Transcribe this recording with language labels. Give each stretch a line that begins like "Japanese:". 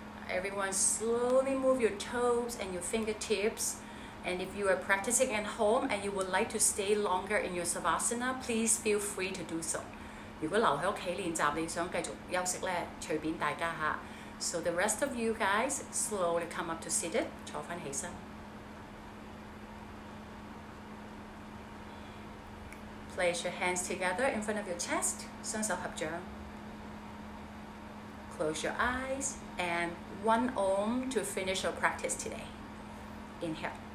English: Everyone, slowly move your toes and your fingertips. And if you are practicing at home and you would like to stay longer in your savasana, please feel free to do so.
Cantonese: 如果留在家裡練習,你想繼續休息,隨便大家。
English: So the rest of you guys, slowly come up to sit it.
Cantonese: 坐回起身。
English: Place your hands together in front of your chest.
Cantonese: 雙手合掌。
English: Close your eyes and one om to finish your practice today. Inhale.